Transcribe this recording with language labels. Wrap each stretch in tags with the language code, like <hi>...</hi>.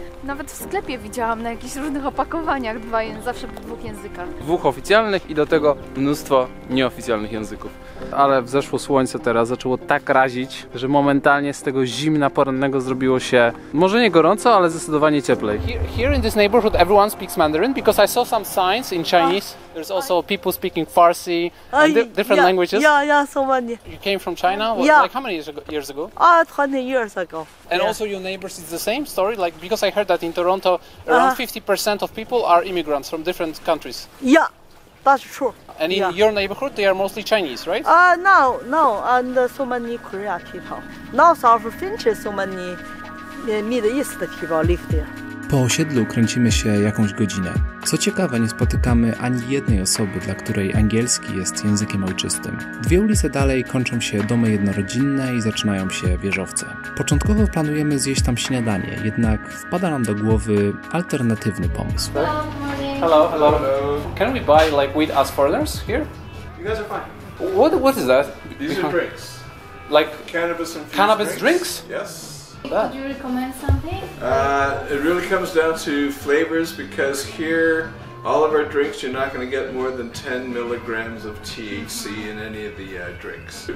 <pl>Nawet w sklepie widziałam na jakichś różnych opakowaniach zawsze w dwóch językach. Dwóch oficjalnych i do tego mnóstwo nieoficjalnych języków. Ale wzeszło słońce teraz, zaczęło tak razić, że momentalnie z tego zimna porannego zrobiło się, może nie gorąco, ale zdecydowanie cieplej.</pl> <en>Here in this neighborhood everyone speaks Mandarin, because I saw some signs in Chinese. There's also people speaking Farsi and different languages. Yeah, so many. You came from China? What, yeah. Like how many years ago? 20 years ago. And also your neighbors, it's the same story? Like, because I heard that in Toronto around 50% of people are immigrants from different countries. Yeah, that's true. And in your neighborhood, they are mostly Chinese, right? No, and so many Korean people. Now South Finch, so many Middle East people live there.</en> <pl>Po osiedlu kręcimy się jakąś godzinę. Co ciekawe, nie spotykamy ani jednej osoby, dla której angielski jest językiem ojczystym. Dwie ulice dalej kończą się domy jednorodzinne i zaczynają się wieżowce. Początkowo planujemy zjeść tam śniadanie, jednak wpada nam do głowy alternatywny pomysł.</pl> <en>Hello. Can we buy like weed as foreigners here? You guys are fine. What is that? These are drinks. Like cannabis drinks? Yes. Could you recommend something? It really comes down to flavors, because here, all of our drinks, you're not going to get more than 10 milligrams of THC in any of the drinks.</en>